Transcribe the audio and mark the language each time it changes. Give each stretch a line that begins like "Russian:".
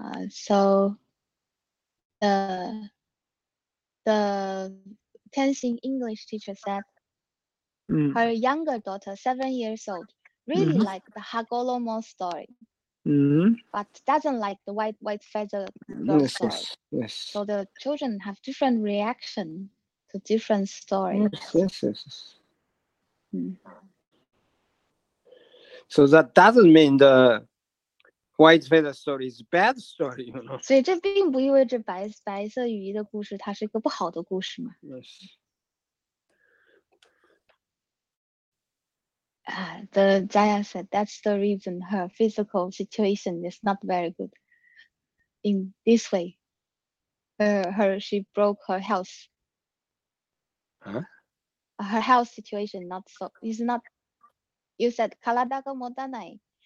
English: So the Tenzing English teacher said her younger daughter, 7 years old, really liked the Hagoromo story, but doesn't like the white feather girl story. Yes. So the children have different reaction to different stories. Yes. So that doesn't mean the white feather story is a bad story, you know.
Chinese: 所以这并不意味着白色鱼的故事它是一个不好的故事嘛。
English: Yes. The Jaya said that's the reason her physical situation is not very good. In this way, she broke her health. Huh? Her health situation not so is not. You said
Japanese: kalada ga motanai.